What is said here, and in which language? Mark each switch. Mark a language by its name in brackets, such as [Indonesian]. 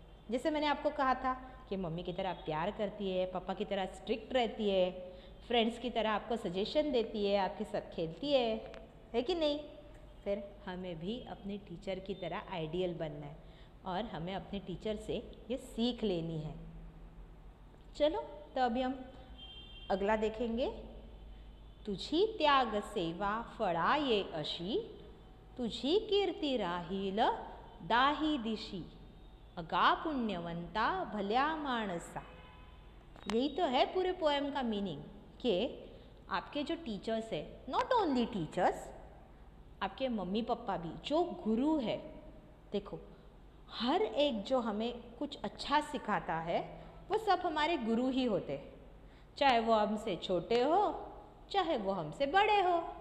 [Hindi] जैसे मैंने आपको कहा था कि मम्मी की तरह प्यार करती है, पापा की तरह स्ट्रिक्ट रहती है, फ्रेंड्स की तरह आपको सजेशन देती है, आपके साथ खेलती है कि नहीं। फिर हमें भी अपने टीचर की तरह आइडियल बनना है और हमें अपने टीचर से ये सीख लेनी है। चलो तो अभी हम अगला देखेंगे। [Marathi] तुझी त्याग सेवा फळा ये अशी, तुझी कीर्ती राहील दाही दिशी, अगा पुण्यवंता भल्या माणसा। [Hindi] यही तो है पूरे पोएम का मीनिंग कि आपके जो टीचर्स है, [English] not only teachers, [Hindi] आपके मम्मी पापा भी, जो गुरु है, देखो हर एक जो हमें कुछ अच्छा सिखाता है वो सब हमारे गुरु ही होते हैं, चाहे वो हमसे छोटे हो चाहे वो हमसे बड़े हो।